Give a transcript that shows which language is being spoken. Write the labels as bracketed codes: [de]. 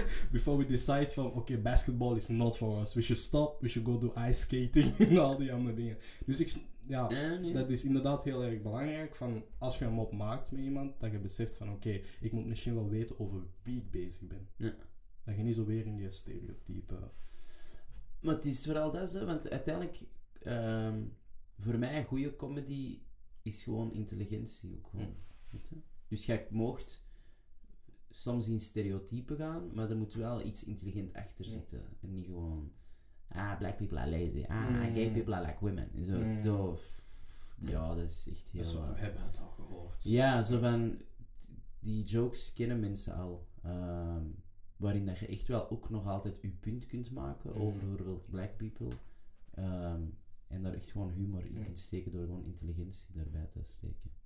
[en] Before we decide [nl] van, [en] oké, okay, basketball is not for us. We should stop, we should go do ice skating [nl] en al die andere dingen. Dus ik... Ja, dat is inderdaad heel erg belangrijk. Van als je een mop maakt met iemand, dat je beseft van oké, okay, ik moet misschien wel weten over wie ik bezig ben. Ja. Dat je niet zo weer in die stereotype... Maar het is vooral dat, hè, want uiteindelijk... voor mij, een goede comedy is gewoon intelligentie. Ook gewoon, weet je? Dus je mocht soms in stereotypen gaan, maar er moet wel iets intelligent achter zitten. Ja. En niet gewoon... [en] Ah, black people are lazy. Ah, gay people are like women. [nl] Zo, zo. Ja, dat is echt heel... Zo, we hebben het al gehoord. Ja, zo van... Die jokes kennen mensen al. Waarin dat je echt wel ook nog altijd je punt kunt maken over bijvoorbeeld [en] black people. [nl] En daar echt gewoon humor in kunt steken door gewoon intelligentie daarbij te steken.